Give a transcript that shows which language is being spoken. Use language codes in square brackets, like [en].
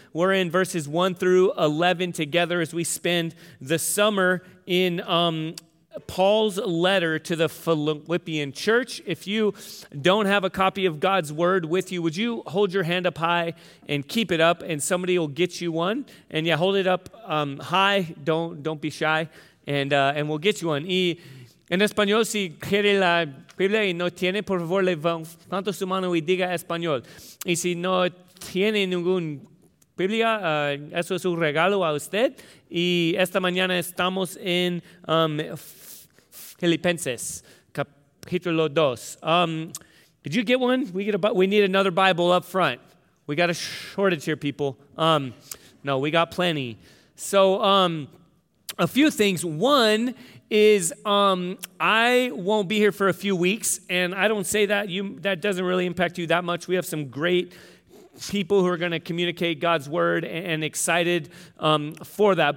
[en] We're in verses 1 through 11 together as we spend the summer in Paul's letter to the Philippian church. If you don't have a copy of God's word with you, would you hold your hand up high and keep it up and somebody will get you one? And yeah, hold it up high. Don't be shy. And we'll get you one. [es] Y en español, si quiere la Biblia y no tiene, por favor, levante su mano y diga español. Y si no tiene ningún Biblia, eso es un regalo a usted. Y esta mañana estamos en Filipenses, capítulo dos. [en] Did you get one? We need another Bible up front. We got a shortage here, people. No, we got plenty. So a few things. One is I won't be here for a few weeks, and I don't say that. That doesn't really impact you that much. We have some great people who are going to communicate God's word and excited for that.